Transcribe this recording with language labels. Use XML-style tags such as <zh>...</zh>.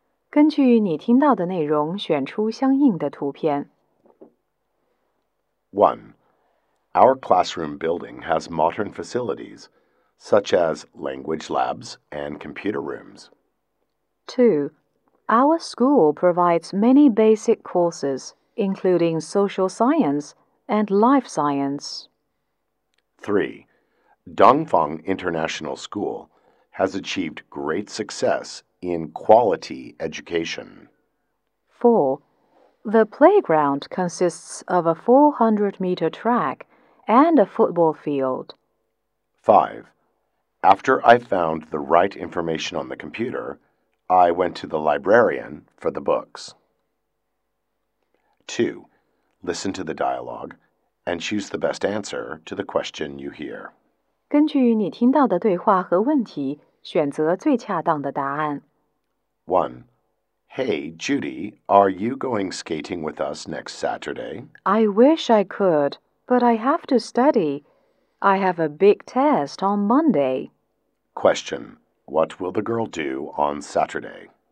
<zh>根据你听到的内容选出相应的图片。</zh> <en>1. Our classroom building has modern facilities, such as language labs and computer rooms. 2. Our school provides many basic courses, including social science and life science. 3. Dongfang International School has achieved great success in quality education. 4. The playground consists of a 400-meter track and a football field. 5. After I found the right information on the computer, I went to the librarian for the books. 2. Listen to the dialogue and choose the best answer to the question you hear.</en> <zh>根据你听到的对话和问题，选择最恰当的答案。</zh> <en>1. Hey, Judy, are you going skating with us next Saturday? I wish I could, but I have to study. I have a big test on Monday. Question: What will the girl do on Saturday?</en>